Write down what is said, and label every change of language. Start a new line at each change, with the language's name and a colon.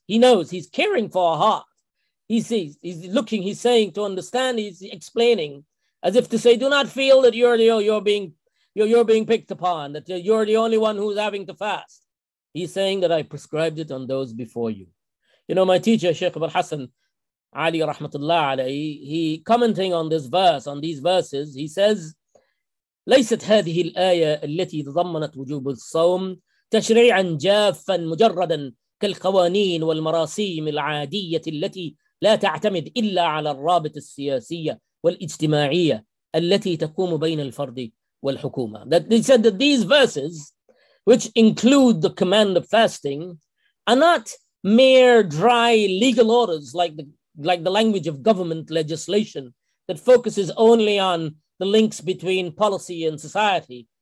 English: He knows he's caring for our heart. He sees, he's looking, he's saying to understand, he's explaining, as if to say, do not feel that you're being picked upon, that you're the only one who's having to fast. He's saying that I prescribed it on those before you. You know, my teacher, Sheikh Abul Hassan Ali Rahmatullah Alayhi, he commenting on this verse, on these verses, he says,
Arabic: ليست هذه الآية التي ضمنت وجوب الصوم تشريعا جافا مجردا كالقوانين والمراسيم العادية التي لا تعتمد إلا على الرابط السياسية والاجتماعية التي تقوم بين الفرد والحكومة.
English: That they said that these verses, which include the command of fasting, are not mere dry legal orders like the language of government legislation that focuses only on the links between policy and society,